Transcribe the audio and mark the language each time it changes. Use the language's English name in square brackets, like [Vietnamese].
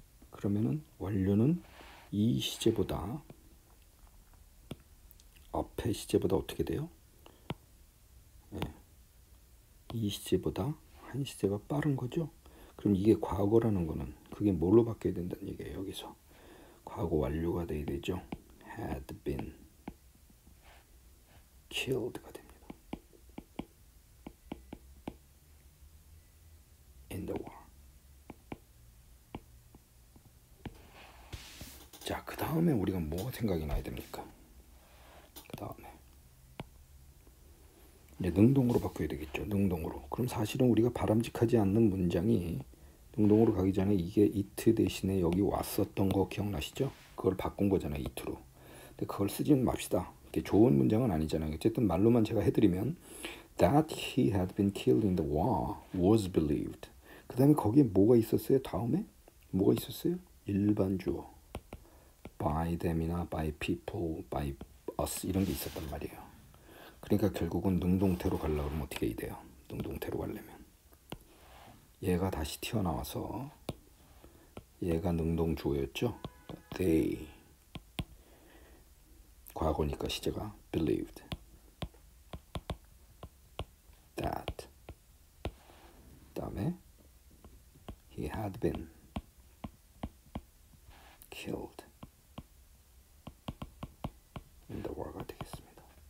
[Korean] 그러면은 완료는 이 시제보다 앞에 시제보다 어떻게 돼요? 네. 이 시제보다 한 시제가 빠른 거죠. 그럼 이게 과거라는 거는 그게 뭘로 바뀌어야 된다는 얘기예요. 여기서 과거 완료가 돼야 되죠. [English] had been killed가 [Korean] 됩니다. [English] In the war. [Korean] 자, 그 다음에 우리가 뭐가 생각이 나야 됩니까? 그 다음에 이제 능동으로 바꿔야 되겠죠. 능동으로. 그럼 사실은 우리가 바람직하지 않는 문장이 능동으로 가기 전에 이게 it 대신에 여기 왔었던 거 기억나시죠? 그걸 바꾼 거잖아요. it로. 근데 그걸 쓰지는 맙시다. 좋은 문장은 아니잖아요. 어쨌든 말로만 제가 해드리면 [English] that he had been killed in the war was believed. [Korean] 그 다음에 거기에 뭐가 있었어요? 다음에 뭐가 있었어요? 일반 주어 by them이나 [English] by people, by us [Korean] 이런 게 있었단 말이에요. 그러니까 결국은 능동태로 가려고 하면 어떻게 해야 돼요? 능동태로 가려면 얘가 다시 튀어나와서 얘가 능동 주어였죠? [English] they [Korean] 과거니까 시제가 [English] believed that [Korean] 다음에 [English] he had been killed in the war가 [Korean] 되겠습니다.